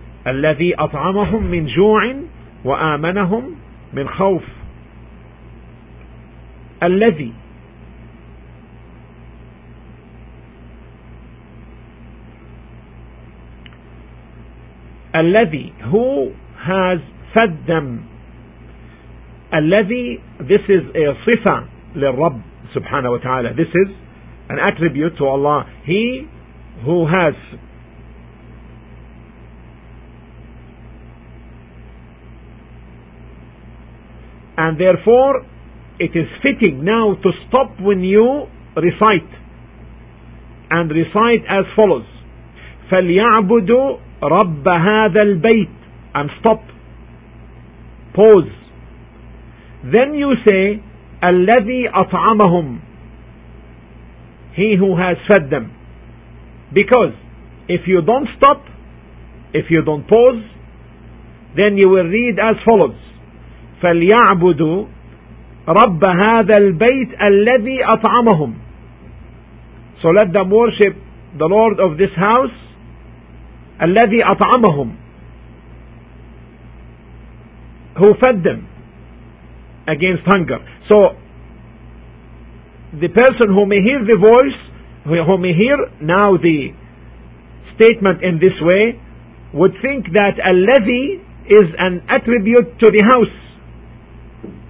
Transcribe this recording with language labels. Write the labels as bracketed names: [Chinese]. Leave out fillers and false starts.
[Arabic] الذي أطعمهم من جوع وآمنهم من خوف. الذي الذي, [English] who has fed them. الذي, this is a sifa [Arabic] للرب سبحانه وتعالى. [English] This is an attribute to Allah. He who has and therefore it is fitting now to stop when you recite and recite as follows. [Arabic] فليعبدوا رب هذا البيت. [English] And stop. Pause. Then you say, [Arabic] الذي أطعمهم. [English] He who has fed them. Because if you don't stop, if you don't pause, then you will read as follows. [Arabic] فليعبدوا رب هذا البيت الذي أطعمهم. [English] So let them worship the Lord of this house, [Arabic] الذي أطعمهم, [English] who fed them against hunger. So the person who may hear the voice, who may hear now the statement in this way, would think that الذي is an attribute to the house.